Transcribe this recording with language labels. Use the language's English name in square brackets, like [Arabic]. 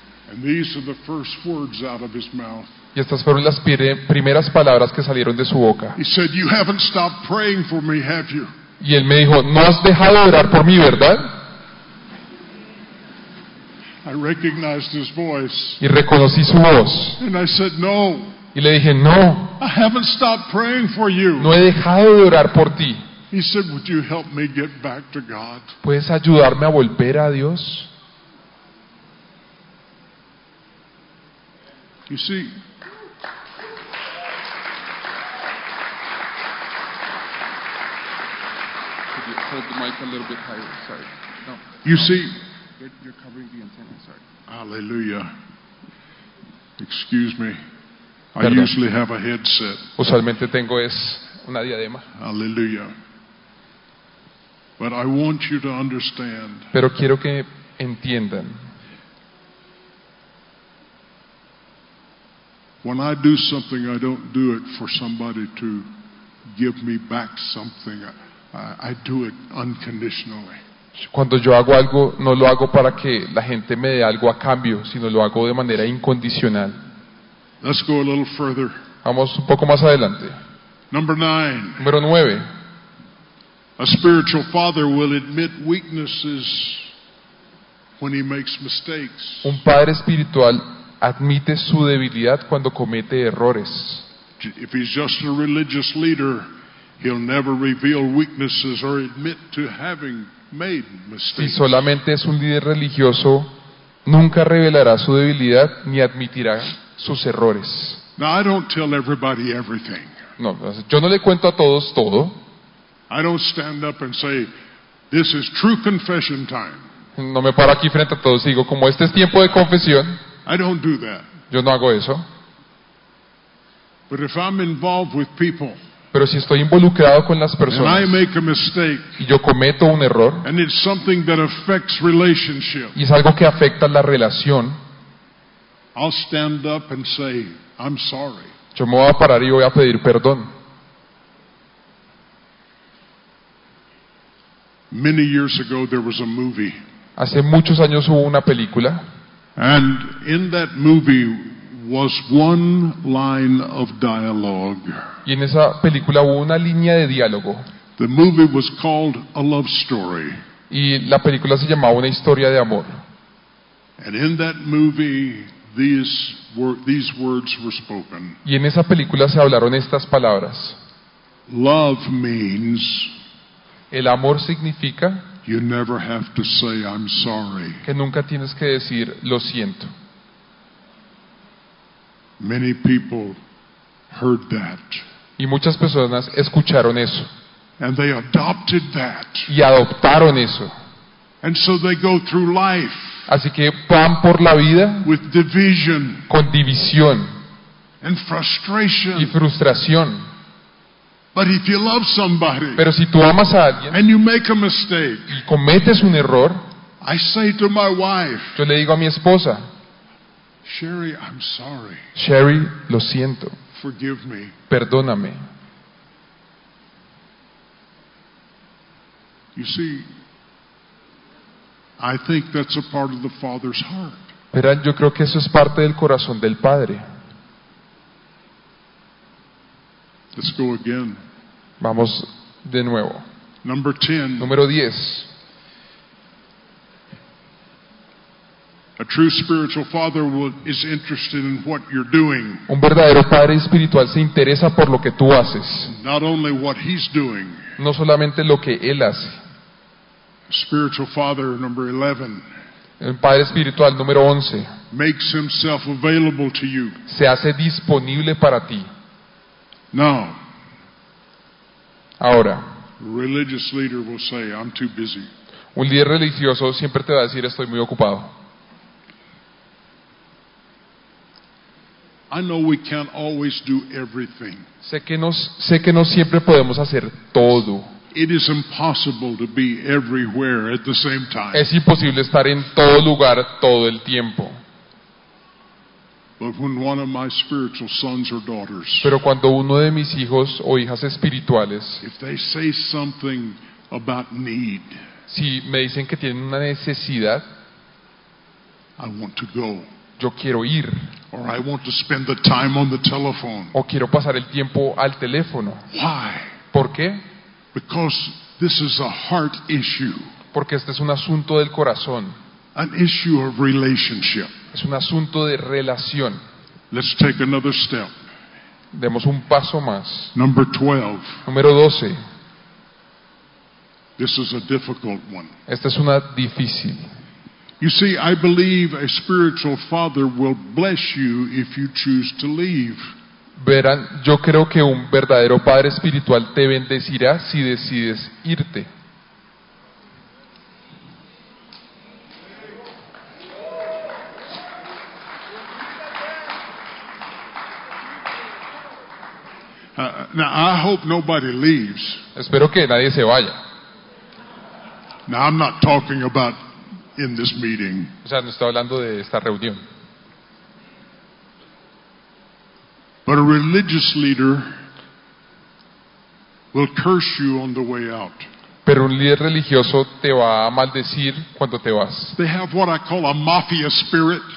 [English] And these are the first words out of his mouth. [Spanish] Y estas fueron las primeras palabras que salieron de su boca. [English] He said, "You haven't stopped praying for me, have you?" [Spanish] Y él me dijo, "No has dejado de orar por mí, ¿verdad?" [English] I recognized his voice. [Spanish] Y reconocí su voz. [English] And I said, "No." [Spanish] Y le dije, "No." [English] I haven't stopped praying for you. [Spanish] No he dejado de orar por ti. [English] He said, "Would you help me get back to God?" [Spanish] ¿Puedes ayudarme a volver a Dios? [English] You see, could you hold the mic a little bit higher? Sorry. No. You see. You're covering the antenna, sorry. Hallelujah. Excuse me. Perdón. I usually have a headset. [Spanish] Usualmente tengo es una diadema. [English] Hallelujah. But I want you to understand. [Spanish] Pero quiero que entiendan. [English] When I do something, I don't do it for somebody to give me back something. I do it unconditionally. [Spanish] Cuando yo hago algo, no lo hago para que la gente me dé algo a cambio, sino lo hago de manera incondicional. [English] Let's go a little further. [Spanish] Vamos un poco más adelante. [English] Number nine. [Spanish] Número 9. [English] A spiritual father will admit weaknesses when he makes mistakes. [Spanish] Un padre espiritual admite su debilidad cuando comete errores. [English] If he's just a religious leader, he'll never reveal weaknesses or admit to having made mistakes. [Spanish] Si solamente es un líder religioso, nunca revelará su debilidad ni admitirá sus errores. [English] Now, I don't tell everybody everything. [Spanish] No, yo no le cuento a todos todo. [English] I don't stand up and say, "This is true confession time." [Spanish] No me paro aquí frente a todos y digo, como este es tiempo de confesión. [English] I don't do that. [Spanish] Yo no hago eso. [English] But if I'm involved with people, [Spanish] pero si estoy involucrado con las personas [English] and I make a mistake, [Spanish] y yo cometo un error [English] and it's something that affects relationship, [Spanish] y es algo que afecta la relación, [English] I'll stand up and say, "I'm sorry." [Spanish] Yo me voy a parar y voy a pedir perdón. [English] Many years ago, there was a movie. [Spanish] Hace muchos años hubo una película [English] and in that movie was one line of dialogue. [Spanish] Y en esa película hubo una línea de diálogo. [English] The movie was called A Love Story. [Spanish] Y la película se llamaba Una Historia de Amor. [English] And in that movie, these words were spoken. [Spanish] Y en esa película se hablaron estas palabras. [English] Love means [Spanish] El amor significa [English] you never have to say, I'm sorry. [Spanish] Que nunca tienes que decir lo siento. [English] Many people heard that. [Spanish] Y muchas personas escucharon eso. [English] And they adopted that. [Spanish] Y adoptaron eso. [English] And so they go through life. [Spanish] Así que van por la vida [English] with division. [Spanish] Con división. [English] And frustration. [Spanish] Y frustración. [English] But if you love somebody, [Spanish] pero si tú amas a alguien, [English] and you make a mistake, [Spanish] y cometes un error, [English] I say to my wife, [Spanish] yo le digo a mi esposa, [English] Sherry, I'm sorry. [Spanish] Sherry, lo siento. [English] Forgive me. [Spanish] Perdóname. [English] You see, I think that's a part of the Father's heart. [Spanish] Pero yo creo que eso es parte del corazón del Padre. [English] Let's go again. [Spanish] Vamos de nuevo. [English] Number 10. [Spanish] Número 10. [English] A true spiritual father is interested in what you're doing. [Spanish] Un verdadero padre espiritual se interesa por lo que tú haces. [English] Not only what he's doing. [Spanish] No solamente lo que él hace. [English] Spiritual father number 11. [Spanish] El padre espiritual número 11. [English] Makes himself available to you. [Spanish] Se hace disponible para ti. [English] Now. [Spanish] Ahora. [English] Religious leader will say, I'm too busy. [Spanish] Un líder religioso siempre te va a decir, estoy muy ocupado. [English] I know we can't always do everything. [Spanish] Sé que no siempre podemos hacer todo. [English] It is impossible to be everywhere at the same time. [Spanish] Es imposible estar en todo lugar todo el tiempo. [English] But when one of my spiritual sons or daughters, [Spanish] pero cuando uno de mis hijos o hijas espirituales, [English] if they say something about need, [Spanish] si me dicen que tienen una necesidad, [English] I want to go. [Spanish] Yo quiero ir. [English] Or I want to spend the time on the telephone. [Spanish] O quiero pasar el tiempo al teléfono. [English] Why? [Spanish] ¿Por qué? [English] Because this is a heart issue. [Spanish] Porque este es un asunto del corazón. [English] An issue of relationship. [Spanish] Es un asunto de relación. [English] Let's take another step. [Spanish] Demos un paso más. [English] Number 12. [Spanish] Número 12. [English] This is a difficult one. [Spanish] Esta es una difícil. [English] You see, I believe a spiritual father will bless you if you choose to leave. [Spanish] Verán, yo creo que un verdadero padre espiritual te bendecirá si decides irte. [English] Now I hope nobody leaves. [Spanish] Espero que nadie se vaya. [English] Now I'm not talking about in this meeting. [Spanish] O sea, no estoy hablando de esta reunión. [English] But a religious leader will curse you on the way out. [Spanish] Pero un líder religioso te va a maldecir cuando te vas. [English] They have what I call a mafia spirit.